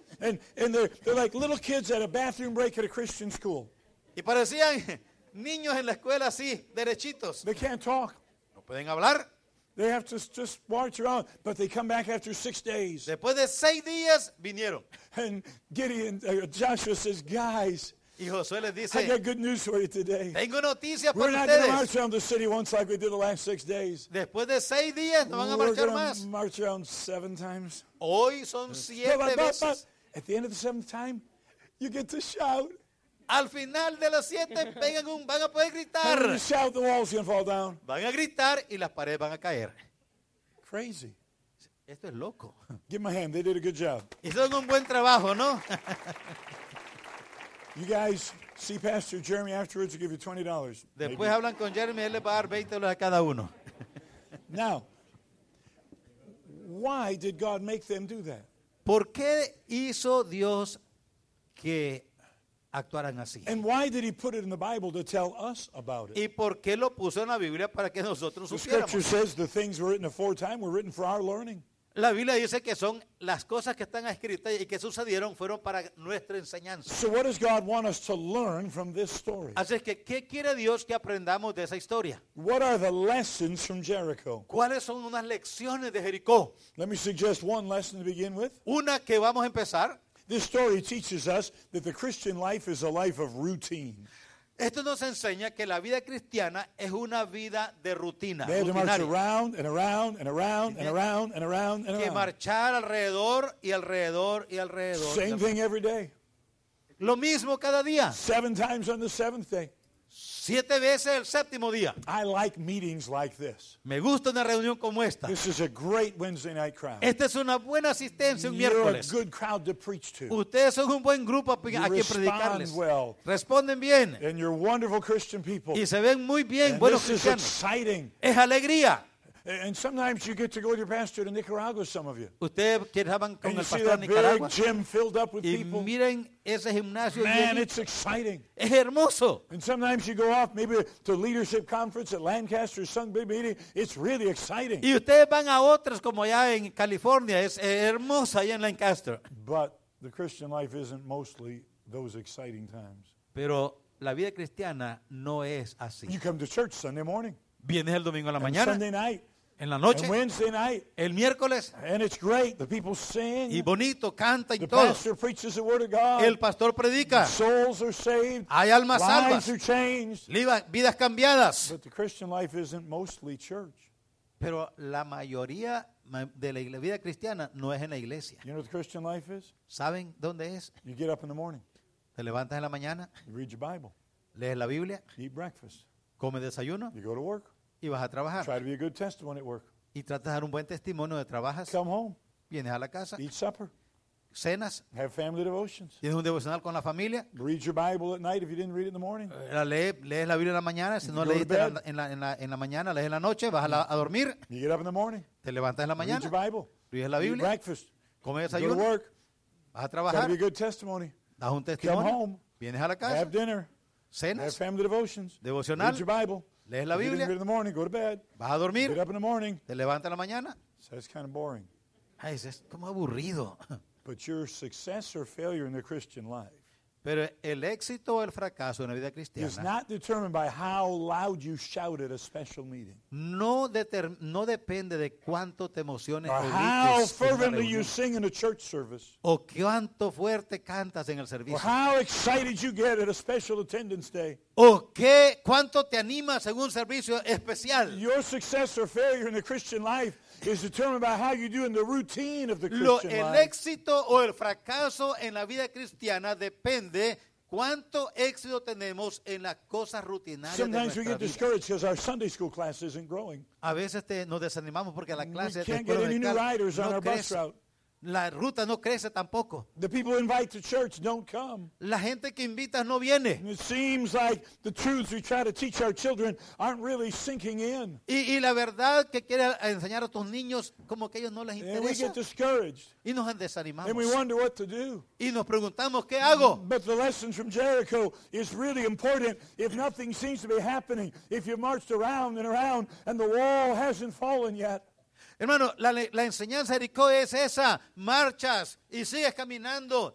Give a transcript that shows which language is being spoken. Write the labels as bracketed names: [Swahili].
[English] And they're like little kids at a bathroom break at a Christian school. [Spanish] Y parecían niños en la escuela así, derechitos. [English] They can't talk. [Spanish] No pueden hablar. [English] They have to just march around, but they come back after 6 days. [Spanish] Después de seis días, vinieron. [English] And Gideon, Joshua says, guys, [Spanish] y Josué les dice, [English] I got good news for you today. [Spanish] Tengo noticias [English] we're [Spanish] para [English] not [Spanish] ustedes. [English] Going to march around the city once like we did the last 6 days. [Spanish] Después de seis días, no van a marchar [English] we're [Spanish] más. [English] March around seven times. [Spanish] Hoy son siete veces. [English] At the end of the seventh time, you get to shout. [Spanish] Al final de las siete, van a poder gritar. [English] When you shout, the walls can fall down. [Spanish] Van a gritar y las paredes van a caer. [English] Crazy. [Spanish] Esto es loco. [English] Give them a hand. They did a good job. [Spanish] Hicieron un buen trabajo, ¿no? [English] You guys see Pastor Jeremy afterwards. He'll give you $20. [Spanish] Después hablan con Jeremy. Él les va a dar $20 a cada uno. [English] Now, why did God make them do that? [Spanish] ¿Por qué hizo Dios que actuaran así? [English] And why did he put it in the Bible to tell us about it? [Spanish] ¿Y por qué lo puso en la Biblia para que nosotros supiéramos? [English] The scripture says the things were written aforetime were written for our learning. [Spanish] La Biblia dice que son las cosas que están escritas y que sucedieron fueron para nuestra enseñanza. [English] So what does God want us to learn from this story? [Spanish] Así es que, ¿qué quiere Dios que aprendamos de esa historia? [English] What are the lessons from Jericho? [Spanish] ¿Cuáles son unas lecciones de Jericó? [English] Let me suggest one lesson to begin with. [Spanish] Una que vamos a empezar. [English] This story teaches us that the Christian life is a life of routine. [Spanish] Esto nos enseña que la vida cristiana es una vida de rutina. [English] They had to march around and around and around and around and around and around. [Spanish] Que marchar alrededor y alrededor y alrededor. [English] Same thing every day. [Spanish] Lo mismo cada día. [English] Seven times on the seventh day. [Spanish] Siete veces el séptimo día. [English] I like meetings like this. [Spanish] Me gusta una reunión como esta. [English] This is a great Wednesday night crowd. [Spanish] Esta es una buena asistencia un miércoles. [English] You're a good crowd to preach to. [Spanish] Ustedes son un buen grupo a quien predicarles. [English] You respond well. [Spanish] Responden bien. [English] And you're wonderful Christian people. [Spanish] Y se ven muy bien, buenos cristianos. [English] This is exciting. [Spanish] Es alegría. [English] And sometimes you get to go with your pastor to Nicaragua, some of you. [Spanish] Ustedes que estaban con [English] and [Spanish] el pastor [English] see that [Spanish] Nicaragua. [English] Big gym filled up with [Spanish] y [English] people. [Spanish] Miren ese gimnasio. [English] Man, [Spanish] lleno. [English] It's exciting. [Spanish] Es hermoso. [English] And sometimes you go off maybe to leadership conference at Lancaster or some big meeting. It's really exciting. [Spanish] Y ustedes van a otras como allá en California. Es hermoso allá en Lancaster. [English] But the Christian life isn't mostly those exciting times. [Spanish] Pero la vida cristiana no es así. [English] You come to church Sunday morning. [Spanish] Vienes el domingo a la [English] and [Spanish] mañana. [English] Sunday night. [Spanish] En la noche. [English] And Wednesday night. [Spanish] El miércoles. [English] And it's great. The people sing. [Spanish] Y bonito, canta y [English] the [Spanish] todo. [English] The pastor preaches the word of God. [Spanish] El pastor predica. [English] Souls are saved. [Spanish] Hay almas [English] lives [Spanish] salvas. [English] Are changed. [Spanish] Vidas cambiadas. [English] But the Christian life isn't mostly church. [Spanish] Pero la mayoría de la vida cristiana no es en la iglesia. [English] You know what the Christian life is? [Spanish] ¿Saben dónde es? [English] You get up in the morning. [Spanish] Te levantas en la mañana. [English] You read your Bible. [Spanish] Lees la Biblia. [English] You eat breakfast. [Spanish] Come desayuno. [English] You go to work. [Spanish] Y vas a trabajar. [English] Try to be a good testimony at work. [Spanish] Y tratas de dar un buen testimonio de trabajas. [English] Come home. [Spanish] Vienes a la casa. [English] Eat supper. [Spanish] Cenas. [English] Have family devotions. [Spanish] Tienes un devocional con la familia. [English] Read your Bible at night if you didn't read it in the morning. [Spanish] Lees la Biblia en la mañana. Si no leíste en la mañana, lees en la noche, vas a dormir. [English] You get up in the morning. [Spanish] Te levantas en la mañana. [English] Read your Bible. [Spanish] Lees la Biblia. [English] Eat breakfast. [Spanish] Come desayuno. [English] Go to work. [Spanish] Vas a trabajar. [English] Try to be a good testimony. [Spanish] Das un testimonio. [English] Come home. [Spanish] Vienes a la casa. [English] Have dinner. [Spanish] Cenas. [English] Have family devotions. [Spanish] Devocional. [English] Read your Bible. [Spanish] Lees la Biblia. [English] Read in the morning, go to bed. [Spanish] Vas a dormir. [English] Get up in the morning. [Spanish] Te levantas en la mañana. [English] So it's kind of boring. [Spanish] Ay, es como aburrido. [English] But your success or failure in the Christian life. [Spanish] Pero el éxito o el fracaso en la vida cristiana. [English] Is not determined by how loud you shout at a special meeting. [Spanish] No depende de cuánto te emociones o grites. [English] Or how fervently you sing in a church service. [Spanish] O cuánto fuerte cantas en el servicio. [English] Or how excited you get at a special attendance day. [Spanish] O qué cuánto te animas en un servicio especial. [English] Your success or failure in the Christian life. Is determined by how you do in the routine of the Christian life. [Spanish] El éxito o el fracaso en la vida cristiana depende cuánto éxito tenemos en las cosas rutinarias. [English] Sometimes [Spanish] de [English] we get [Spanish] vida. [English] Discouraged because our Sunday school class isn't growing. [Spanish] A veces nos desanimamos porque la clase [English] we can't get any new riders [Spanish] no [English] on our [Spanish] crece. [English] Bus route. [Spanish] La ruta no crece tampoco. [English] The people invite to church don't come. [Spanish] La gente que invita no viene. [English] And it seems like the truths we try to teach our children aren't really sinking in. [Spanish] Y la verdad que quiere enseñar a tus niños como que ellos no les interesa. [English] And we get discouraged. [Spanish] Y nos desanimamos. [English] And we wonder what to do. [Spanish] Y nos preguntamos qué hago. [English] But the lessons from Jericho is really important. If nothing seems to be happening, if you marched around and around and the wall hasn't fallen yet. [Spanish] Hermano, la enseñanza de Jericó es esa. Marchas y sigues caminando.